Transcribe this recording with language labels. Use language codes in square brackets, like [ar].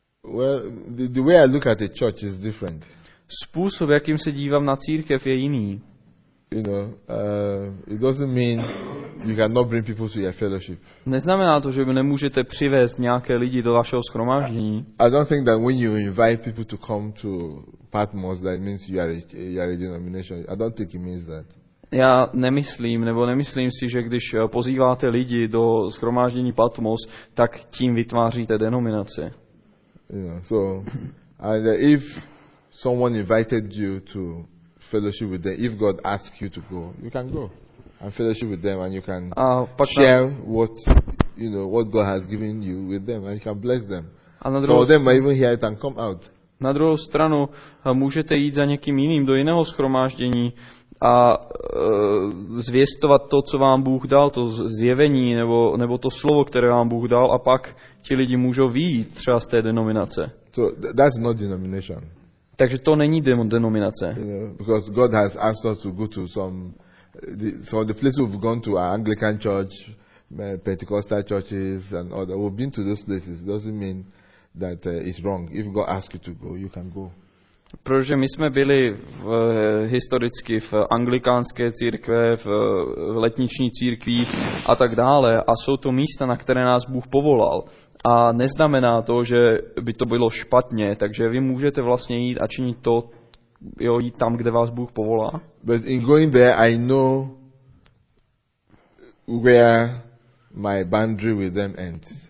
[en] The way I look at the church is different. [cs] Způsob, jakým se dívám na církev, je jiný. [en] You know, it doesn't mean you cannot bring people to your fellowship. [cs] Neznamená to, že nemůžete přivést nějaké lidi do vašeho shromáždění. [en] I don't think that when you invite people to come to Patmos, that means you are a denomination. I don't think it means that. [cs] Já nemyslím si, že když pozýváte lidi do shromáždění Patmos, tak tím vytváříte denominaci. [en] You know, so, and if someone invited you to fellowship with them, if God asks you to go, you can go and fellowship with them, and you can share what God has given you with them, and you can bless them. So they might even hear it and come out. [cs] Na druhou stranu, můžete jít za někým jiným do jiného shromáždění a zvěstovat to, co vám Bůh dal, to zjevení nebo to slovo, které vám Bůh dal, a pak ti lidi můžou vyjít třeba z té denominace. [en] So that's not denomination. [cs] Takže to není denominace. [en] You know, because God has asked us to go to some of the places we've gone to are Anglican church, Pentecostal churches and other. We've been to those places. Doesn't mean that it's wrong. If God asks you to go, you can go. [cs] Protože my jsme byli historicky v anglikánské církve, v letniční církvi a tak dále, a jsou to místa, na které nás Bůh povolal. A neznamená to, že by to bylo špatně, takže vy můžete vlastně jít a činit to, jo, jít tam, kde vás Bůh povolá. [en] But in going there, I know where my boundary with them ends.